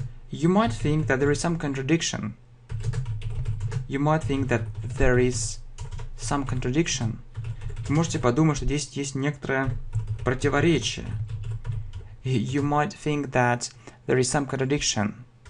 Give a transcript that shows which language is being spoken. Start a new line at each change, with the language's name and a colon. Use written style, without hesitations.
English: You might think that there is some contradiction. You might think that there is some contradiction.
Russian: Вы можете подумать, что здесь есть некоторое противоречие.
English: You might think that there is some contradiction.